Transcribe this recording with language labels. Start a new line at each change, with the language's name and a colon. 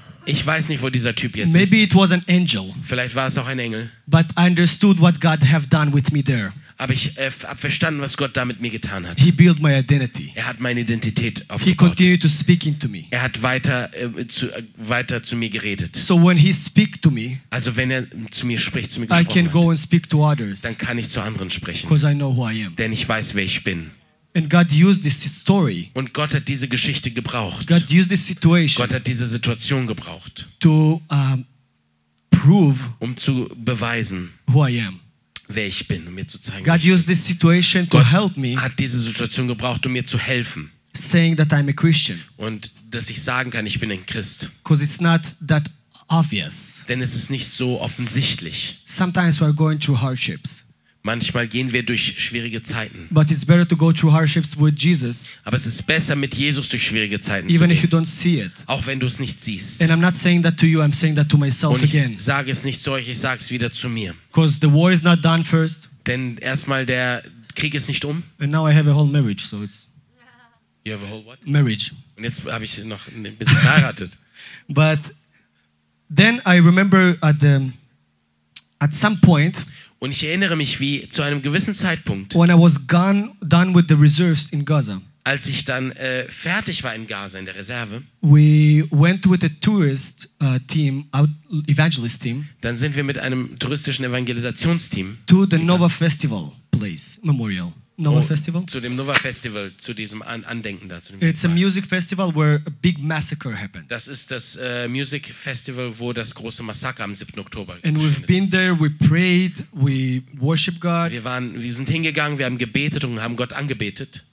German: Ich weiß nicht, wo dieser Typ jetzt
English: Maybe
German: ist.
English: It was an angel.
German: Vielleicht war es auch ein Engel.
English: But I understood what God have done with me there.
German: Aber ich habe verstanden, was Gott da mit mir getan hat.
English: He built my identity.
German: Er hat meine Identität aufgebaut.
English: He continued to speak into me.
German: Er hat weiter zu mir geredet.
English: So when he speak to me,
German: also wenn er zu mir spricht, zu mir gesprochen
English: I can
German: hat,
English: go and speak to others,
German: dann kann ich zu anderen sprechen.
English: 'Cause I know who I am.
German: Denn ich weiß, wer ich bin.
English: And God used this story.
German: Und Gott hat diese Geschichte gebraucht.
English: God used this situation.
German: Gott hat diese Situation gebraucht.
English: To prove.
German: Um zu beweisen.
English: Who I am.
German: Wer ich bin, um mir zu zeigen.
English: God used this situation to help me.
German: Hat diese Situation gebraucht, um mir zu helfen.
English: Saying that I'm a Christian.
German: Und dass ich sagen kann, ich bin ein Christ.
English: 'Cause it's not that obvious.
German: Denn es ist nicht so offensichtlich.
English: Sometimes we're going through hardships.
German: Manchmal gehen wir durch schwierige Zeiten.
English: But it's better to go through hardships with Jesus.
German: Aber es ist besser, mit Jesus durch schwierige Zeiten
English: even
German: zu gehen.
English: If you don't see it.
German: Auch wenn du es nicht siehst.
English: And I'm not saying that to you, I'm saying that to myself again.
German: Und ich
English: again.
German: Sage es nicht zu euch, ich sage es wieder zu mir.
English: 'Cause the war is not done first.
German: Denn erstmal der Krieg ist nicht um.
English: And now I have a whole marriage, so it's you have a whole what? Marriage.
German: Und jetzt habe ich noch ein bisschen verheiratet.
English: But then I remember at some point.
German: Und ich erinnere mich, wie zu einem gewissen Zeitpunkt,
English: when I was gone, done with the reserves in Gaza,
German: als ich dann fertig war in Gaza, in der Reserve,
English: we went with a tourist team, evangelist team,
German: dann sind wir mit einem touristischen Evangelisationsteam
English: to the Nova Festival place, Memorial. Nova Festival?
German: Zu dem Nova Festival, zu diesem Andenken da. Zu dem
English: It's Fall. A music festival where a big massacre happened.
German: Das ist das Music Festival, wo das große Massaker am 7. Oktober
English: And we've
German: ist.
English: Been there, we prayed, we worship God.
German: Wir sind hingegangen, wir haben gebetet und haben Gott angebetet.